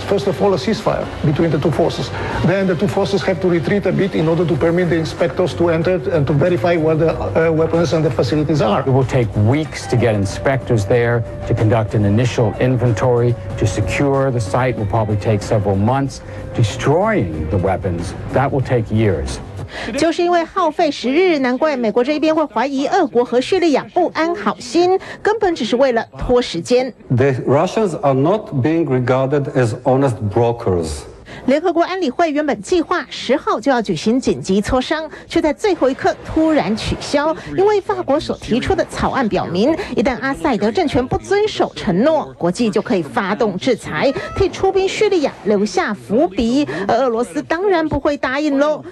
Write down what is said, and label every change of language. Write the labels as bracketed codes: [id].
[en] First of all, a ceasefire between the two forces. Then the two forces have to retreat a bit in order to permit the inspectors to enter and to verify where the weapons and the facilities are. It will take weeks to get inspectors there to conduct an initial inventory to secure the site. Will probably take several months. Destroying the weapons that will take years. [zh] 就是因为耗费时日，难怪美国这边会怀疑俄国和叙利亚不安好心，根本只是为了拖时间。 [en] The Russians are not being regarded as honest brokers. [zh] 联合国安理会原本计划10号就要举行紧急磋商，却在最后一刻突然取消，因为法国所提出的草案表明，一旦阿塞德政权不遵守承诺，国际就可以发动制裁，替出兵叙利亚留下伏笔，而俄罗斯当然不会答应咯。